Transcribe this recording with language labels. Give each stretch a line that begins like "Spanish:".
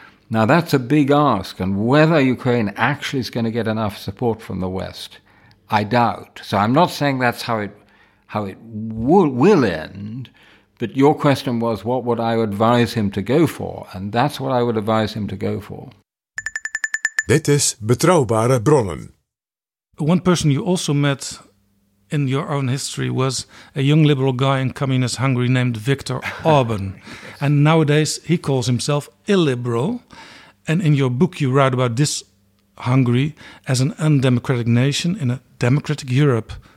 English: Now, that's a big ask, and whether Ukraine actually is going to get enough support from the West, I doubt. So I'm not saying that's how it will end, but your question was, what would I advise him to go for? And that's what I would advise him to go for.
Dutch: Dit is Betrouwbare Bronnen.
English: One person you also met in your own history was a young liberal guy in communist Hungary named Viktor Orban. And nowadays he calls himself illiberal. And in your book you write about this Hungary as an undemocratic nation in a democratic Europe.